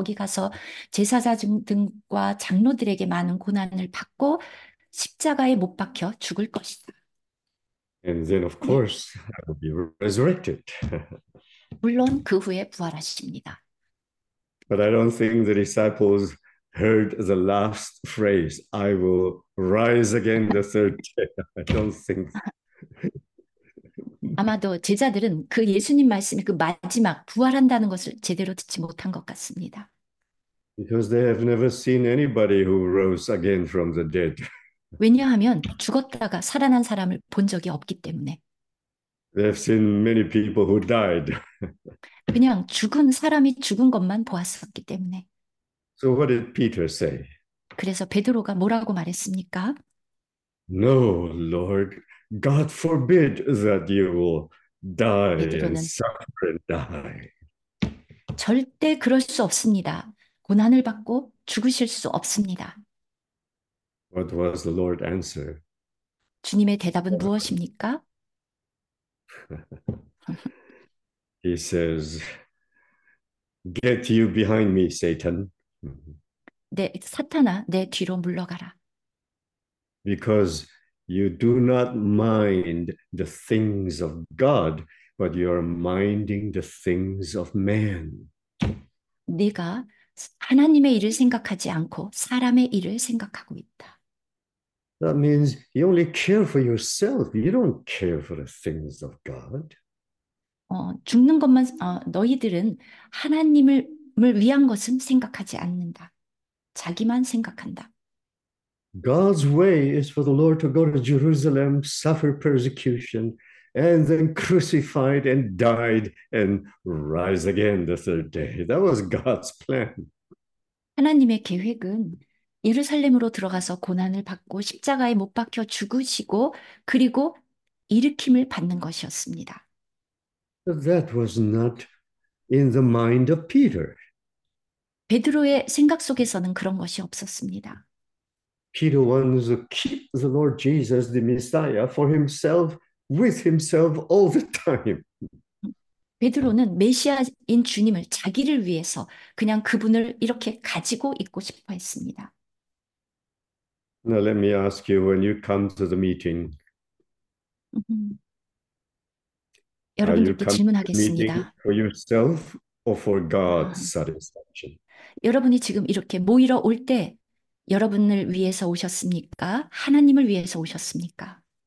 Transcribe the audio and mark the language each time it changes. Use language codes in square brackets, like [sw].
[ko] 거기 가서 제사장 등과 장로들에게 많은 고난을 받고 십자가에 못 박혀 죽을 것이다. [en] And then, of course, I will be resurrected. [ko] Yeah. 물론 그 후에 부활하십니다. [en] But I don't think the disciples heard the last phrase, I will rise again the third day. I don't think. [ko] 아마도 제자들은 그 예수님 말씀이 그 마지막 부활한다는 것을 제대로 듣지 못한 것 같습니다. [en] Because they have never seen anybody who rose again from the dead. [ko] 왜냐하면 죽었다가 살아난 사람을 본 적이 없기 때문에. [en] They've seen many people who died. [ko] 그냥 죽은 사람이 죽은 것만 보았었기 때문에. [en] So what did Peter say? [ko] 그래서 베드로가 뭐라고 말했습니까? [en] No, Lord, God forbid that you will die and [ko] 베드로는 [en] suffer and die. [ko] 절대 그럴 수 없습니다. 고난을 받고 죽으실 수 없습니다. [en] What was the Lord's answer? [ko] 주님의 대답은 무엇입니까? [en] He says, "Get you behind me, Satan." [ko] "내 사탄아, 내 뒤로 물러가라." [en] Because you do not mind the things of God, but you are minding the things of man. [ko] 네가 하나님의 일을 생각하지 않고 사람의 일을 생각하고 있다. [en] That means you only care for yourself. You don't care for the things of God. [ko] 죽는 것만 너희들은 하나님을 위한 것은 생각하지 않는다. 자기만 생각한다. [en] God's way is for the Lord to go to Jerusalem, suffer persecution, and then crucified and died and rise again the third day. That was God's plan. [ko] 하나님의 계획은 예루살렘으로 들어가서 고난을 받고 십자가에 못 박혀 죽으시고 그리고 일으킴을 받는 것이었습니다. [en] But that was not in the mind of Peter. [ko] 베드로의 생각 속에서는 그런 것이 없었습니다. [en] Peter wants to keep the Lord Jesus, the Messiah, for himself, with himself all the time. [ko] 베드로는 메시아인 주님을 자기를 위해서 그냥 그분을 이렇게 가지고 있고 싶어 했습니다. [en] Now let me ask you, when you come to the meeting, are you [ko] 여러분들께 [en] coming to the meeting [ko] 질문하겠습니다. [en] for yourself or for God's satisfaction? [ko] 여러분이 지금 이렇게 모이러 올때 여러분을 위해서 오셨습니까? 하나님을 위해서 오셨습니까?